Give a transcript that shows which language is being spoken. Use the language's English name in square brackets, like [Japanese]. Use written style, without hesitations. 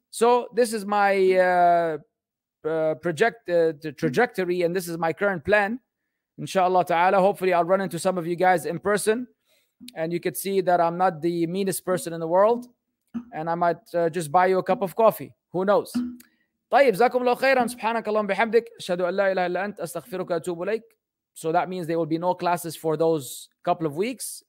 [English] So this is my trajectory, and this is my current plan, inshallah ta'ala. Hopefully I'll run into some of you guys in person, and you could see that I'm not the meanest person in the world, and I might just buy you a cup of coffee. Who knows? [Arabic] طيب زاكم الله خيرا سبحانك اللهم بحمدك اشهد ان لا اله الا انت استغفرك واتوب اليك. [English] So that means there will be no classes for those couple of weeks.